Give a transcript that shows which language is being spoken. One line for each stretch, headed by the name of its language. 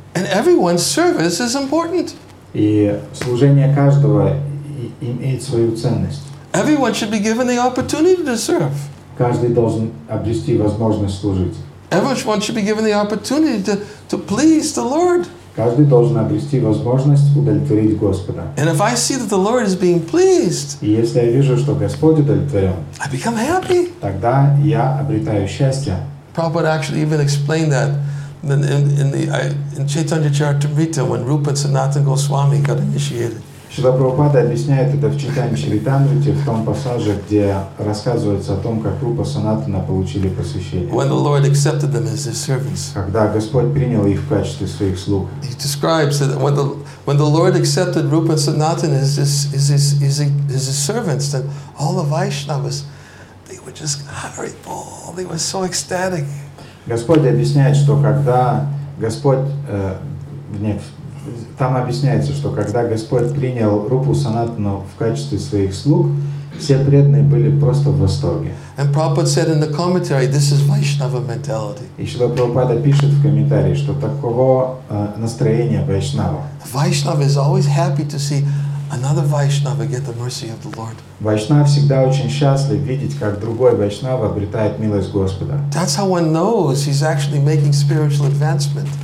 English: And everyone's service is important.
Russian: И служение каждого имеет свою ценность.
English: Everyone should be given the opportunity to serve.
Russian: Каждый должен обрести возможность служить.
English: Everyone should be given the opportunity to please the Lord.
Russian: Каждый должен обрести возможность удовлетворить Господа.
English: And if I see that the Lord is being pleased,
Russian: и если я вижу, что Господь удовлетворен,
English: I become happy.
Russian: Тогда я обретаю счастье.
English: Prabhupada actually even explained that. Then in Chaitanya Charitamrita, when Rupa Sanatana Goswami got initiated.
Russian: Шрила Прабхупада объясняет это в Чайтанья Чаритамрите, в том пассаже, где рассказывается о том, как Рупа Санатана получили посвящение.
English: When the Lord accepted them as his servants.
Russian: Когда Господь принял их в качестве своих слуг.
English: He describes that when the Lord accepted Rupa Sanatana as his servants, then all the Vaishnavas, they were just hurry ball. They were so ecstatic.
Russian: Господь объясняет, что когда Господь, нет, там объясняется, что когда Господь принял Рупу Санатану в качестве своих слуг, все преданные были просто в восторге.
English: And Prabhupada said in the commentary, this is Vaishnava mentality.
Russian: И Шрила Прабхупада пишет в комментарии, что такого настроения Вайшнава.
English: Vaishnava is always happy to see another Vaishnava get the mercy of the Lord.
Russian: Вайшнав всегда очень счастлив видеть, как другой Вайшнав обретает милость Господа.
English: That's how one knows he's actually making spiritual advancement.